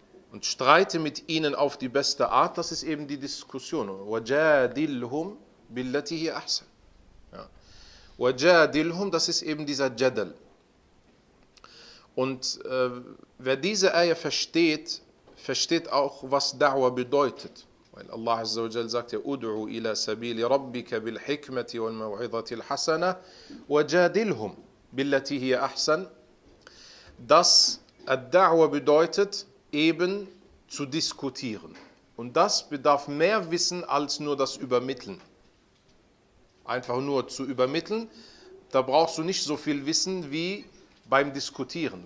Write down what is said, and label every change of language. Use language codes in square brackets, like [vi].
[de] Und streite mit ihnen auf die beste Art, das ist eben die Diskussion. [ar] وَجَادِلْهُمْ بِالَّتِهِ أَحْسَنْ. [de] وَجَادِلْهُمْ, das ist eben dieser Jadal. Und wer diese Ayah versteht, versteht auch, was Da'wah bedeutet. Weil Allah Azza wa Jalla sagt, [ar] اُدْعُوا إِلَى سَبِيلِ رَبِّكَ بِالْحِكْمَةِ وَالْمَوْعِظَةِ الْحَسَنَةِ وَجَادِلْهُمْ بِالَّتِهِ أَحْسَنْ. [de] Das Da'wah bedeutet, eben zu diskutieren. Und das bedarf mehr Wissen als nur das Übermitteln. Einfach nur zu übermitteln, da brauchst du nicht so viel Wissen wie beim Diskutieren.